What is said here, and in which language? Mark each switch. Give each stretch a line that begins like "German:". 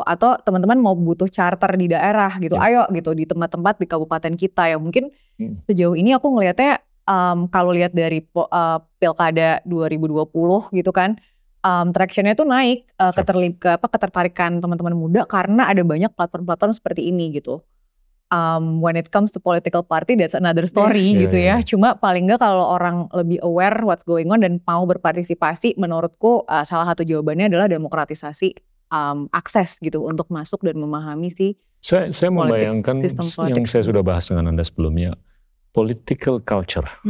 Indonesian: Atau teman-teman mau butuh charter di daerah gitu, ayo gitu di tempat-tempat di kabupaten kita ya. Mungkin sejauh ini aku ngelihatnya kalau lihat dari Pilkada 2020 gitu kan, traction-nya tuh naik, ketertarikan teman-teman muda karena ada banyak platform-platform seperti ini gitu.
English: When it comes to political party, that's another story
Indonesian: gitu ya. Cuma paling nggak kalau orang lebih aware
English: what's going on
Indonesian: dan mau berpartisipasi, menurutku salah satu jawabannya adalah demokratisasi akses gitu untuk masuk dan memahami sih. Saya membayangkan yang saya sudah bahas dengan Anda sebelumnya,
English: political culture